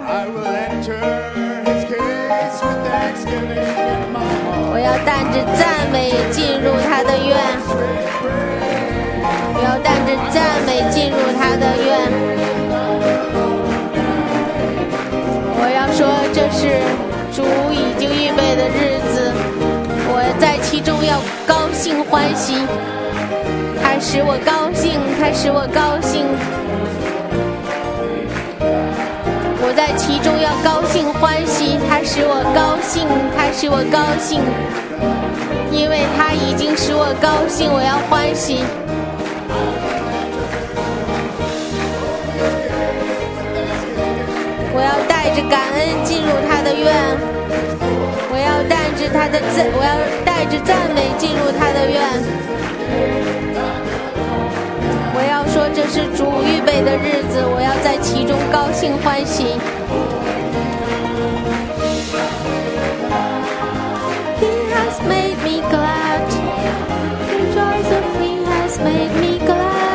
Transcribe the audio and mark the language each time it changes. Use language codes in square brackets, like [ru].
[en] I will enter his grace with thanksgiving in my heart. [zh] 我要带着赞美进入他的院，我要带着赞美进入他的院，我要说这是主已经预备的日子，我在其中要高兴欢喜，他使我高兴，他使我高兴，我在其中要高兴欢喜，他使我高兴，他使我高兴，因为他已经使我高兴，我要欢喜。我要带着感恩进入他的院，我要带着他的赞，我要带着赞美进入他的院，我要说这是主预备的日子，我要在其中高兴欢喜。 [en] He has made me glad, rejoice of He has made me glad.